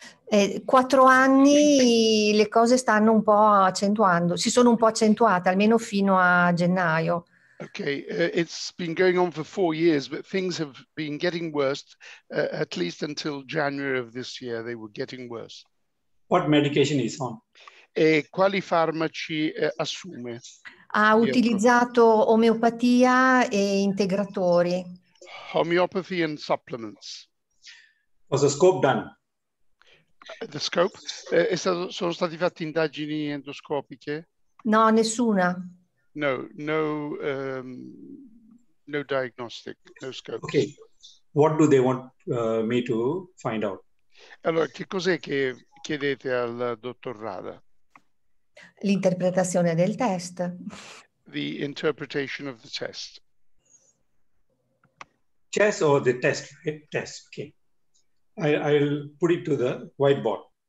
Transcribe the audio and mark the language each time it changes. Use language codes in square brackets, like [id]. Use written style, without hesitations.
[it] 4 anni le cose stanno un po' accentuando, si sono un po' accentuate, almeno fino a gennaio. [en] Okay, it's been going on for 4 years, but things have been getting worse, at least until January of this year, they were getting worse. What medication is on? [it] E quali farmaci assume? Ha utilizzato omeopatia e integratori. [en] Homeopathy and supplements. Was the scope done? The scope? [it] Sono stati fatti indagini endoscopiche? No, nessuna. [en] No diagnostic, no scope. Okay. What do they want me to find out? [it] Allora, che cos'è che chiedete al dottor Rada? L'interpretazione del test. [en] The interpretation of the test. Chest or the test? Test, okay. I'll put it to the whiteboard.